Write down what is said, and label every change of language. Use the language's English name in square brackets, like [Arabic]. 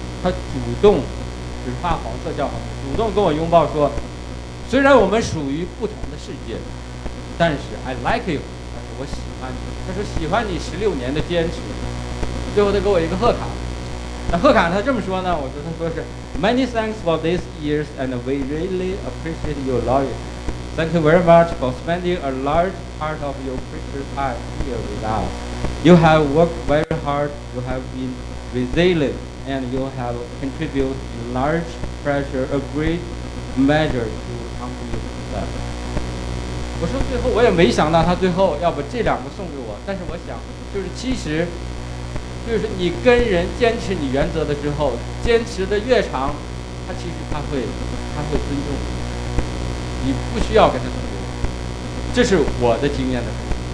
[Chinese] 他主动，就是发黄色叫好，主动跟我拥抱说，虽然我们属于不同的世界，但是 [English] I like you， [Chinese] 他说我喜欢你，他说喜欢你16年的坚持。最后他给我一个贺卡，那贺卡他这么说呢，我说他说是 [English] Many thanks for these years and we really appreciate your loyalty. Thank you very much for spending a large part of your precious time here with us. You have worked very hard, you have been resilient, and you have contributed in large pressure, a great measure to company's success. [Chinese] 我说最后我也没想到他最后要把这两个送给我，但是我想就是其实就是你跟人坚持你原则的时候，坚持的越长，他其实他会尊重你，你不需要跟他争论，这是我的经验的。